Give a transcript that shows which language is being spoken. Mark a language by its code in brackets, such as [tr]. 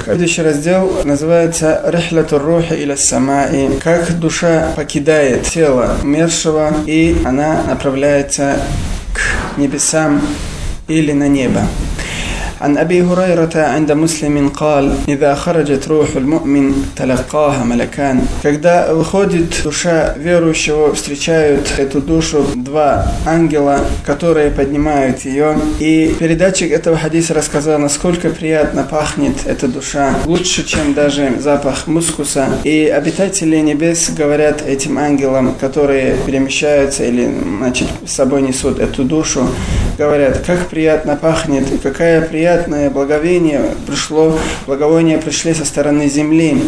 [ru] Следующий раздел называется [ar] «Рихля Турруха или Самаи». [ru] Как душа покидает тело умершего, и она направляется к небесам или на небо. [ar] عن أبي هريرة عند مسلم قال إذا خرجت روح المؤمن تلقاها ملكان. [ru] Когда выходит душа верующего, встречают эту душу два ангела, которые поднимают ее. И передатчик этого хадиса рассказал, насколько приятно пахнет эта душа, лучше, чем даже запах мускуса. И обитатели небес говорят этим ангелам, которые перемещаются или, значит, с собой несут эту душу, говорят, как приятно пахнет, какая приятное благовение пришло, благовония пришли со стороны земли.